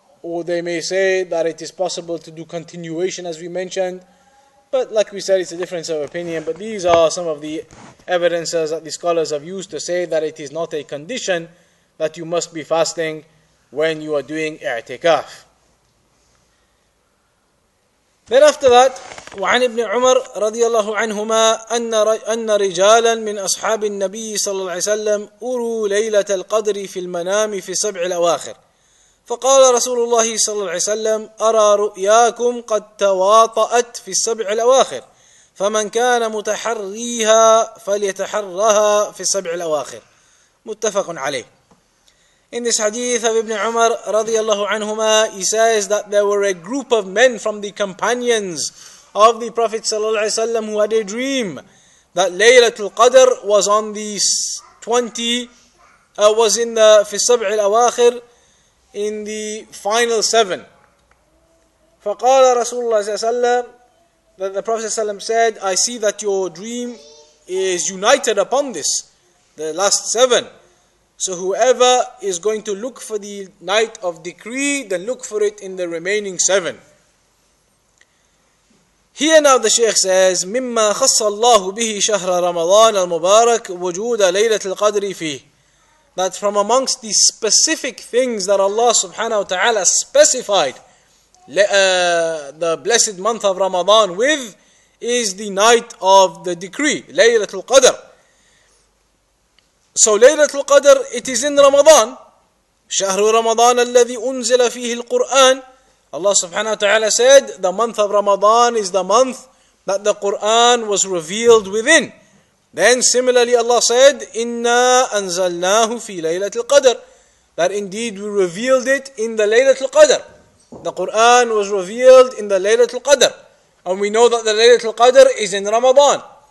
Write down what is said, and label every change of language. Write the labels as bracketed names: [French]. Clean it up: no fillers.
[English] Or they may say that it is possible to do continuation as we mentioned. But like we said, it's a difference of opinion. But these are some of the evidences that the scholars have used to say that it is not a condition that you must be fasting when you are doing i'tikaf. Then after that, [Arabic] وعن ابن عمر رضي الله عنهما أن رجالا من أصحاب النبي صلى الله عليه وسلم أروا ليلة القدر في المنام في سبع الأواخر. فقال رسول الله صلى الله عليه وسلم أرى رؤياكم قد تواطأت في السبع الأواخر فمن كان متحريها فليتحرها في السبع الأواخر متفق عليه. [English] In this hadith of Ibn Umar رضي الله عنهما, he says that there were a group of men from the companions of the Prophet صلى الله عليه وسلم who had a dream that Laylatul Qadr was on the 20 was in the [Arabic] في السبع الأواخر, [English] in the final seven. [Arabic] فقال رسول الله صلى الله عليه وسلم, [English] that the Prophet ﷺ said, I see that your dream is united upon this, the last seven. So whoever is going to look for the night of decree, then look for it in the remaining seven. [Arabic] Here now the Shaykh says, مِمَّا خَصَّ اللَّهُ بِهِ شَهْرَ رَمَضَانَ الْمُبَارَكُ وَجُودَ لَيْلَةِ الْقَدْرِ فِيهِ. [English] That from amongst the specific things that Allah subhanahu wa ta'ala specified the blessed month of Ramadan with is the night of the decree, Laylatul Qadr. So Laylatul Qadr, it is in Ramadan. [Arabic] شهر رمضان الذي أنزل فيه القرآن. [English] Allah subhanahu wa ta'ala said, the month of Ramadan is the month that the Qur'an was revealed within. [Arabic] Then similarly Allah said, إِنَّا أَنزَلْنَاهُ فِي لَيْلَةِ الْقَدْرِ. [English] That indeed we revealed it in the Laylatul Qadr. The Qur'an was revealed in the Laylatul Qadr. And we know that the Laylatul Qadr is in Ramadan.